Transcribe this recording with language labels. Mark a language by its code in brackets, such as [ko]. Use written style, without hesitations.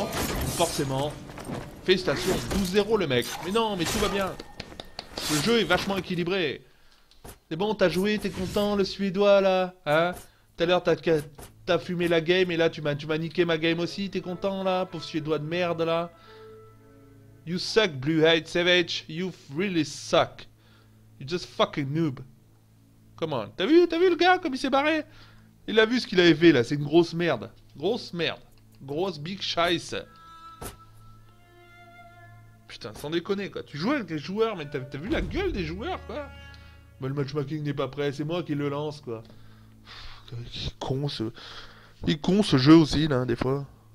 [fr] Donc forcément, félicitations, 12-0 le mec. Mais non, mais tout va bien. Le jeu est vachement équilibré. C'est bon, t'as joué, t'es content le suédois là, hein? Tout à l'heure t'as fumé la game et là tu m'as niqué ma game aussi, t'es content là, pauvre suédois de merde là. [en] You suck, Blue Hate Savage, you really suck. You just fucking noob. Come on, [fr] t'as vu le gars comme il s'est barré? Il a vu ce qu'il avait fait là, c'est une grosse merde. Grosse merde. Grosse big scheisse. Putain, sans déconner quoi, tu jouais avec les joueurs mais t'as vu la gueule des joueurs quoi. Mais le matchmaking n'est pas prêt, c'est moi qui le lance quoi. Il est con ce jeu aussi là des fois.